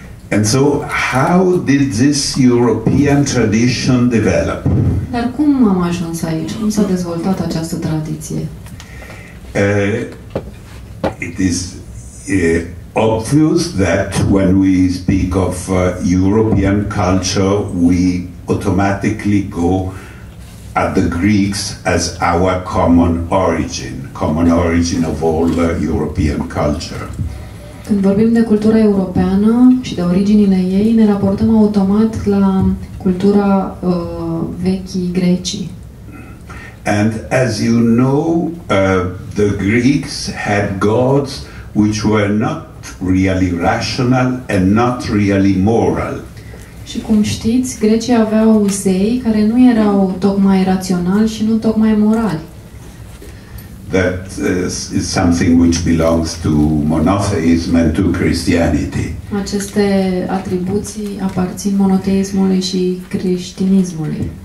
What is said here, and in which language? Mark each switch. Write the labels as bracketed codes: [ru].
[en] And so, how did this European tradition develop? [ro] Dar cum am ajuns aici? Cum s-a dezvoltat această tradiție? [en] It is obvious that when we speak of European culture, we automatically go at the Greeks as our common origin of all European culture. [ro] Când vorbim de cultura europeană și de originile ei, ne raportăm automat la cultura vechii grecii. [en] And as you know, the Greeks had gods which were not really rational and not really moral. [ro] Și cum știți, grecii aveau zei care nu erau tocmai raționali și nu tocmai morali. [en] That is something which belongs to monotheism and to Christianity. [ro] Aceste atribuții aparțin monoteismului și creștinismului.